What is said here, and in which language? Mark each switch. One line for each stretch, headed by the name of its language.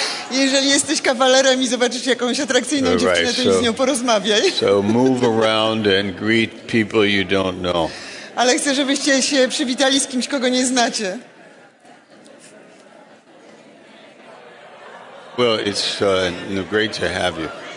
Polish: Jeżeli jesteś kawalerem i zobaczysz jakąś atrakcyjną dziewczynę, to z nią porozmawiaj.
English: So move around and greet people you don't know.
Polish: Ale chcę, żebyście się przywitali z kimś, kogo nie znacie.
English: Well, it's great to have you.